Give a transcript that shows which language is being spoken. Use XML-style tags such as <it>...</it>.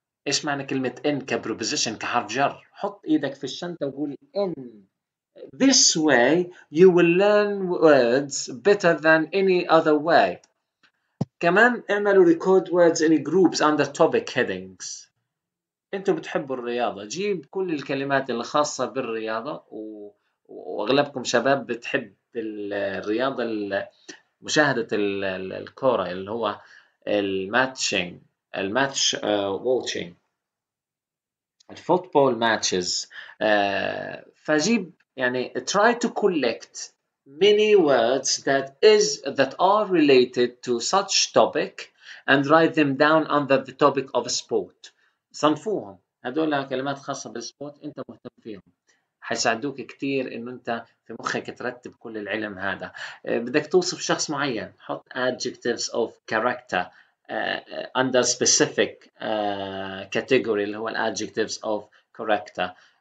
<ar>إيش معنى كلمة إن كبروبوزيشن كحرف جر؟ حط إيدك في الشنطة وقول إن.</ar> <en>This way you will learn words better than any other way.</en> <ar>كمان اعملوا</ar> <en>record words in groups under topic headings.</en> <ar>انتوا بتحبوا الرياضة، جيب كل الكلمات اللي خاصة بالرياضة، واغلبكم شباب بتحب الرياضة، مشاهدة الكورة اللي هو الماتشينج، الماتش واتشينج، الفوتبول ماتشز. فجيب يعني</ar> <en>try to collect many words that are related to such topic and write them down under the topic of sport.</en> <ar>صنفوهم، هدول كلمات خاصة بالسبوت انت مهتم فيهم، حيساعدوك كتير انه انت في مخك ترتب كل العلم هذا. بدك توصف شخص معين، حط</ar> <en>adjectives of character under specific category</en> <ar>اللي هو</ar> <en>adjectives of character.</en>